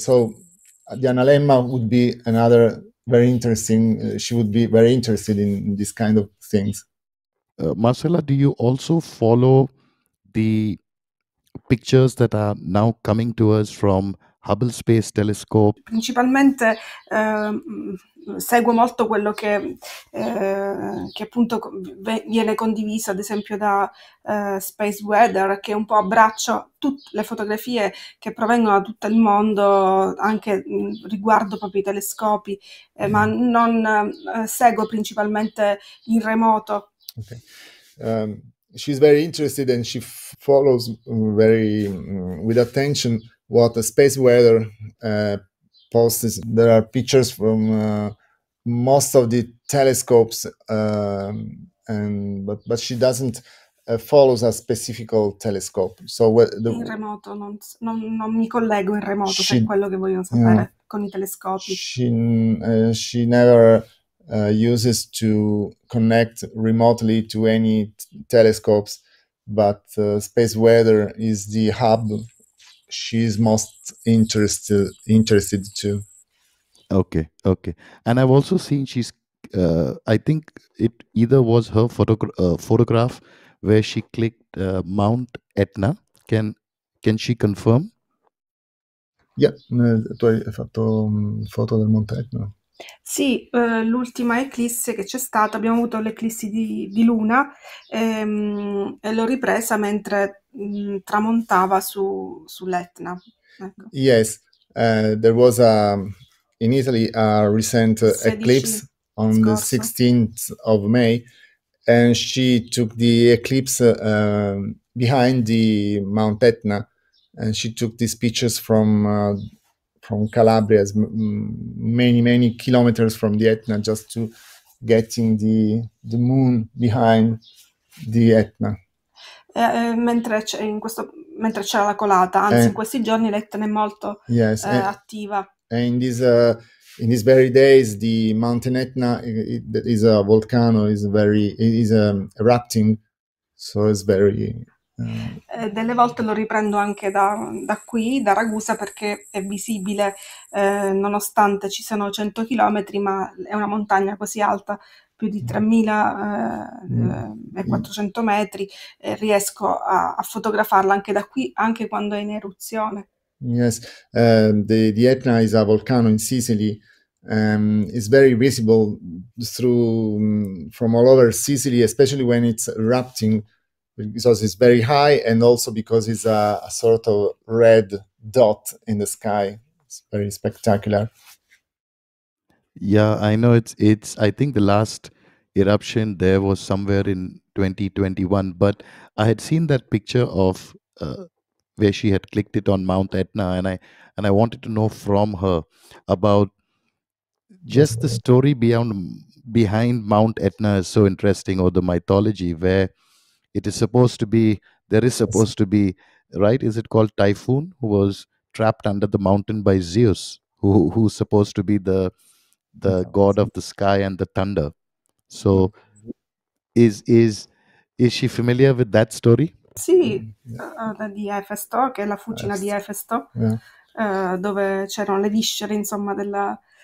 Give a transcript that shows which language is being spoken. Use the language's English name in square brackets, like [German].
[English] So the analemma would be another very interesting. She would be very interested in this kind of things. Marcella, do you also follow the pictures that are now coming to us from Hubble Space Telescope? [Italian] Principalmente seguo molto quello che appunto viene condiviso, ad esempio da Space Weather, che un po' abbraccia tutte le fotografie che provengono da tutto il mondo, anche riguardo proprio i telescopi, ma non seguo principalmente in remoto. [English] Okay. She's very interested and she follows very with attention what the Space Weather posts. There are pictures from most of the telescopes, but she doesn't follow a specific telescope. So [Italian] in remoto, non mi collego in remoto, per quello che vogliono sapere con i telescopi. [English] She never uses to connect remotely to any telescopes, but Space Weather is the hub she's most interested to. Okay. And I've also seen she's, I think it either was her photograph where she clicked Mount Etna. Can she confirm? [Italian] Yeah, tu hai fatto foto del Monte Etna. Sì, l'ultima eclisse che c'è stata, abbiamo avuto l'eclissi di Luna e l'ho ripresa mentre tramontava sull'Etna. Ecco. [English] Yes, there was in Italy a recent eclipse on the 16th of May, and she took the eclipse behind the Mount Etna, and she took these pictures from Calabria, many kilometers from the Etna, just to getting the moon behind the Etna. [Italian] Mentre c'era la colata, anzi in questi giorni l'Etna è molto attiva. [English] And in this in these very days, the mountain Etna is a volcano, is erupting, so it's very... Delle volte lo riprendo anche da qui, da Ragusa, perché è visibile, nonostante ci siano 100 chilometri, ma è una montagna così alta, più di 3.400 metri, riesco a fotografarla anche da qui, anche quando è in eruzione. Yes, the Etna is a volcano in Sicily. It's very visible through from all over Sicily, especially when it's erupting, because it's very high, and also because it's a sort of red dot in the sky. It's very spectacular. Yeah, I know. It's. I think the last eruption there was somewhere in 2021, but I had seen that picture of where she had clicked it on Mount Etna, and I wanted to know from her about just the story behind Mount Etna is so interesting, or the mythology where it is supposed to be, there is supposed to be, right? Is it called Typhoon, who was trapped under the mountain by Zeus, who's supposed to be the god of the sky and the thunder. So is she familiar with that story? [Italian] Sì, di Efesto, che è la fucina di Efesto, dove c'erano le viscere, insomma, della...